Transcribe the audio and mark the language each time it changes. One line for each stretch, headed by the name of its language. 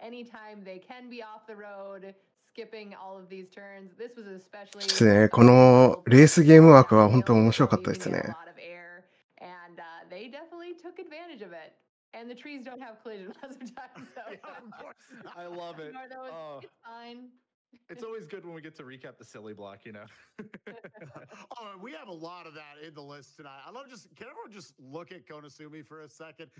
English: Anytime they can be off the road, skipping all of these turns, this was especially.
Japanese: このレースゲームワークは本当に面白かったですね。
English: A lot of air, and they definitely took advantage of it. And the trees don't have collision hazard time, so yeah, of course. I love it. It's fine. It's always good when we get to recap the silly block, you know. Oh, we have a lot of that in the list tonight. I love just, can everyone just look at Konosumi for a second?